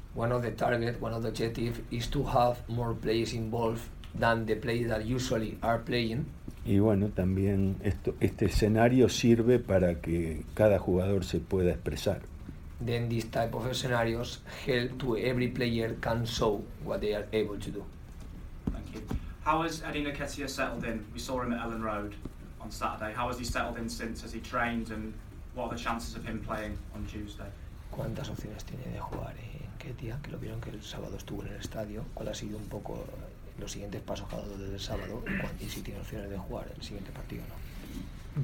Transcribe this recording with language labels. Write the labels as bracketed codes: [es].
[en] One of the target, one of the objective is to have more players involved than the players that usually are playing. [es] Y bueno, también este escenario sirve para que cada jugador se pueda expresar. [en] Then these type of scenarios help to every player can show what they are able to do. Thank you. How has Eddie Nketiah settled in? We saw him at Ellen Road on Saturday. How has he settled in since? Has he trained, and what are the chances of him playing on Tuesday? [es] ¿Cuántas opciones tiene de jugar en Ketia? Que lo vieron que el sábado estuvo en el estadio. ¿Cuál ha sido un poco los siguientes pasos que ha dado desde el sábado? ¿Y si tiene opciones de jugar el siguiente partido o no?